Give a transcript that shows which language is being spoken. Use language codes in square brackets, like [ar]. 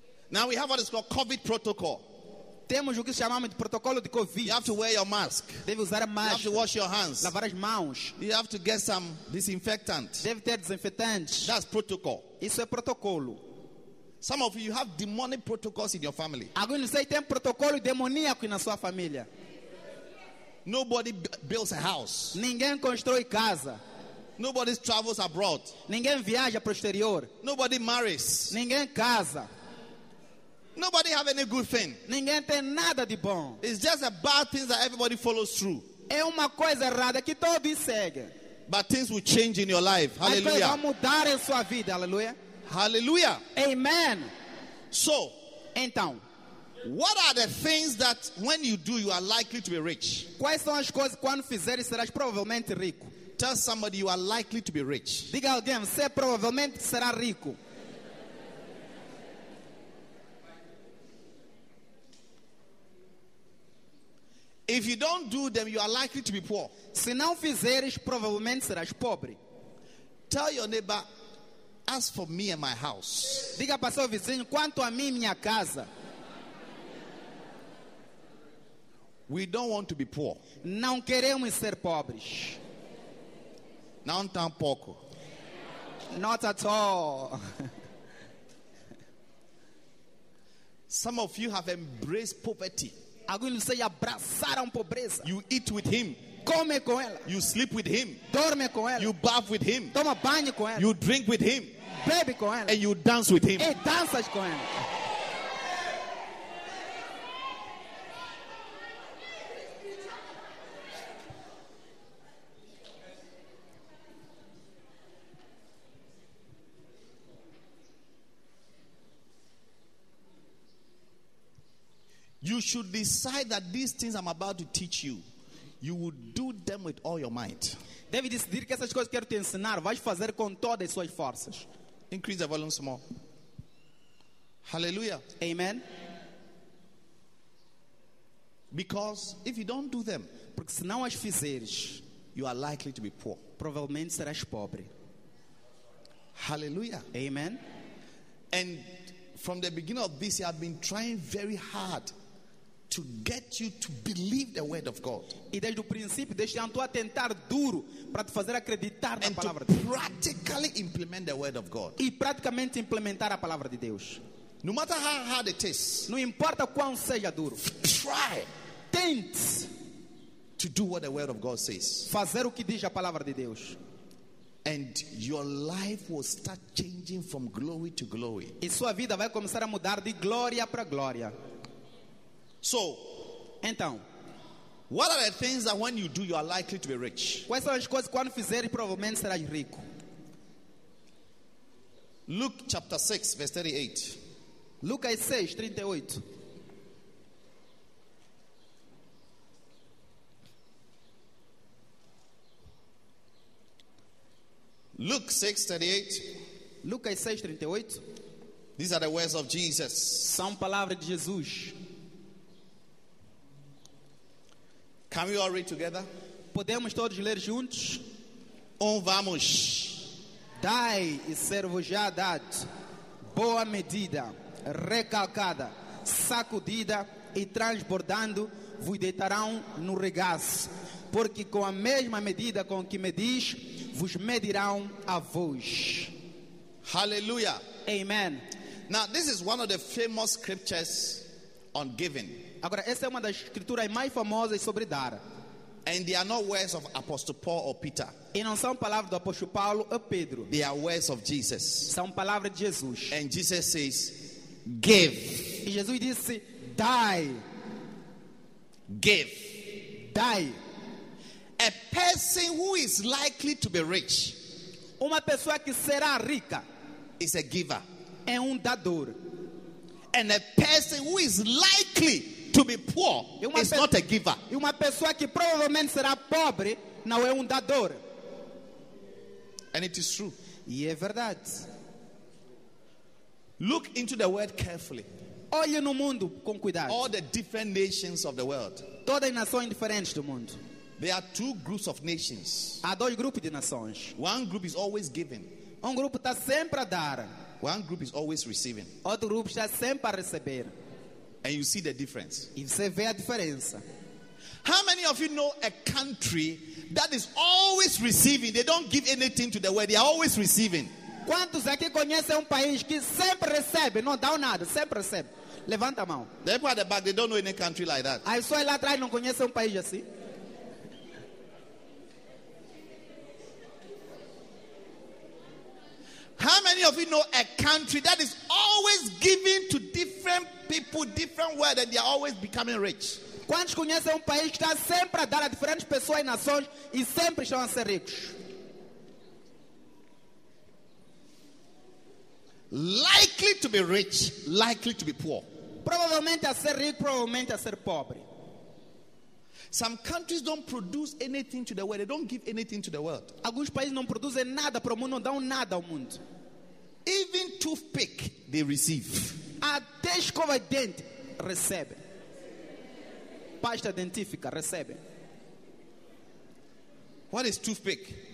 [en] Now we have what is called COVID protocol. [pt] Temos o que chamamos de protocolo de COVID. [en] You have to wear your mask. [pt] Deve usar a máscara. [en] You have to wash your hands. [pt] Lavar as mãos. [en] You have to get some disinfectant. [pt] Deve ter desinfetante. [en] That's protocol. [pt] Isso é protocolo. [en] Some of you have demonic protocols in your family. [pt] Alguns de vocês têm protocolo demoníaco na sua família. [en] Nobody builds a house. [pt] Ninguém constrói casa. [en] Nobody travels abroad. [pt] Ninguém viaja para o exterior. [en] Nobody marries. [pt] Ninguém casa. [en] Nobody have any good thing. [pt] Ninguém tem nada de bom. [en] It's just a bad thing that everybody follows through. [pt] É uma coisa errada que todos seguem. [en] But things will change in your life. Hallelujah. [pt] Vai mudar em sua vida. Hallelujah. Hallelujah. Amen. [en] So, [pt] então, [en] what are the things that when you do, you are likely to be rich? [pt] Quais são as coisas quando fizeres serás provavelmente rico? [en] Tell somebody you are likely to be rich. [pt] Diga alguém, você provavelmente será rico. [en] If you don't do them, you are likely to be poor. [pt] Se não fizeres, provavelmente serás pobre. [en] Tell your neighbor, as for me and my house. [pt] Diga para seu vizinho, quanto a mim e minha casa. [en] We don't want to be poor. [pt] Não queremos ser pobres. Não tampouco. [en] Not at all. Some of you have embraced poverty. [pt] Alguns de vocês abraçaram a pobreza. [en] You eat with him. [pt] Come com ela. [en] You sleep with him. [pt] Dorme com ela. [en] You bath with him. [pt] Toma banho com ela. [en] You drink with him. [pt] Bebe com ela. [en] And you dance with him. [pt] E danças com ela. [en] You should decide that these things I'm about to teach you, you will do them with all your might. [pt] Deve decidir que essas coisas quero te ensinar, vais fazer com todas as suas forças. [en] Increase the volume small. Hallelujah. Amen. Because if you don't do them, [pt] porque se não as fizeres, [en] you are likely to be poor. [pt] Provavelmente serás pobre. Hallelujah. Amen. [en] And from the beginning of this year, I've been trying very hard to get you to believe the word of God. [pt] E desde o princípio, deixa eu estar a tentar duro para te fazer acreditar na palavra. [en] And to practically implement the word of God. [pt] E praticamente implementar a palavra de Deus. [en] No matter how hard it is. [pt] Não importa quão seja duro. [en] Try. [pt] Tente. [en] To do what the word of God says. [pt] Fazer o que diz a palavra de Deus. [en] And your life will start changing from glory to glory. [pt] E sua vida vai começar a mudar de glória para glória. [en] So, [pt] então, [en] what are the things that when you do, you are likely to be rich? [pt] Quais são as coisas que quando fizeres provavelmente serás rico? [en] Luke chapter 6, verse 38. [pt] Lucas 6, 38. [en] Luke 6, 38. [pt] Lucas 6, 38. [en] These are the words of Jesus. [pt] São palavras de Jesus. [en] Can we all read together? [pt] Podemos todos ler juntos? Vamos. Dai e ser-vos-á dado. Boa medida, recalcada, sacudida e transbordando, vos deitarão no regaço. Porque com a mesma medida com que medis, vos medirão a vós. Hallelujah. Amen. [en] Now, this is one of the famous scriptures on giving. [pt] Agora, essa é uma das escrituras mais famosas sobre dar. [en] And they are not words of Apostle Paul or Peter. [pt] E não são palavras do Apóstolo Paulo ou Pedro. [en] They are words of Jesus. [pt] São palavras de Jesus. [en] And Jesus says, give. [pt] E Jesus disse, dai. [en] Give. [pt] Dai. [en] A person who is likely to be rich. [pt] Uma pessoa que será rica. [en] Is a giver. [pt] É dador. [en] And a person who is likely to be poor is not a giver. [pt] E uma pessoa que provavelmente será pobre não é dador. [en] And it is true. [pt] E é verdade. [en] Look into the world carefully. [pt] Olhe no mundo com cuidado. [en] All the different nations of the world. [pt] Todas as nações diferentes do mundo. [en] There are two groups of nations. [pt] Há dois grupos de nações. [en] One group is always giving. [pt] Grupo está sempre a dar. [en] One group is always receiving. [pt] Outro grupo está sempre a receber. [en] And you see the difference. [pt] E você vê a diferença. [en] How many of you know a country that is always receiving? They don't give anything to the world. They are always receiving. [pt] Quantos aqui conhecem país que sempre recebe, não dá nada, sempre recebe? Levanta a mão. [en] The people at the back, they don't know any country like that. [pt] Aí só lá atrás não conhece país assim. [en] How many of you know a country that is always giving to different people, different world, and they are always becoming rich? [pt] Quantos conhecem país que está sempre a dar a diferentes pessoas e nações e sempre estão a ser ricos? [en] Likely to be rich, likely to be poor. [pt] Provavelmente a ser rico, provavelmente a ser pobre. [en] Some countries don't produce anything to the world. They don't give anything to the world. [pt] Alguns países não produzem nada para o mundo, não dão nada ao mundo. [en] Even toothpick they receive. [pt] Até escova de dente recebe. Pasta dentífica recebe. [en] What is toothpick?